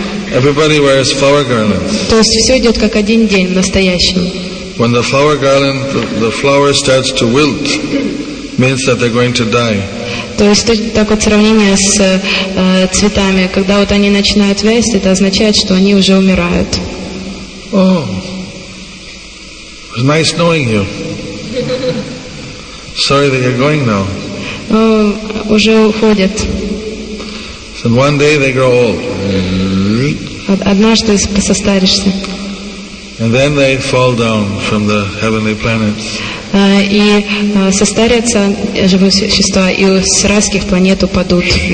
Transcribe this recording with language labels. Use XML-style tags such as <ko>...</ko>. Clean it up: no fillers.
<en>Everybody wears flower garlands.</en> <ru>То есть все идет как один день в настоящем.</ru> <en>When the flower garland, the flower starts to wilt, means that they're going to die.</en> <ru>То есть так вот сравнение с цветами, когда вот они начинают вести, это означает, что они уже умирают.</ru> <en>Oh, it was nice knowing you. Sorry that you're going now.</en> <ru>Уже уходят.</ru> <en>So one day they grow old.</en> <ru>Однажды состаришься.</ru> <en>And then they fall down from the heavenly planets.</en> <ru>И состарятся живые существа и с райских планет упадут.</ru>